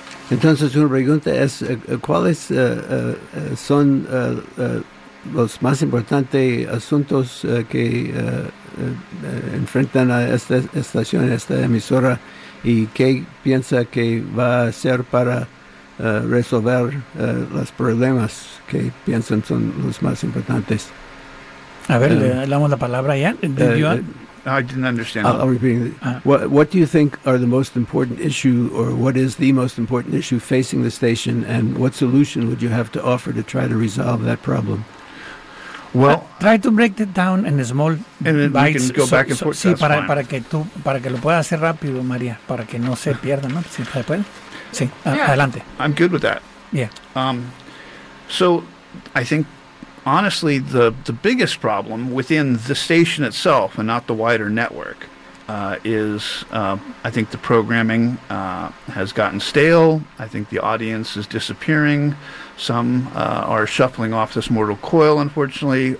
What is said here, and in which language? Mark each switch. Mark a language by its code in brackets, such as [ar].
[es] Entonces, una pregunta es, ¿cuáles son los más importantes asuntos que enfrentan a esta estación, a esta emisora, y qué piensa que va a hacer para resolver los problemas que piensan son los más importantes? A ver, le damos la palabra ya. [en] I didn't understand. I'll repeat it. What do you think are the most important issue, or what is the most important issue facing the station, and what solution would you have to offer to try to resolve that problem? Well, try to break it down in small bites. And then we can go back and forth. [es] Sí, para que lo puedas hacer rápido, María, para que no se pierda, ¿no? Si se puede. Sí, [en] yeah, [es] adelante. [en] I'm good with that. Yeah. So I think, honestly, the biggest problem within the station itself and not the wider network is I think the programming has gotten stale. I think the audience is disappearing. Some are shuffling off this mortal coil, unfortunately.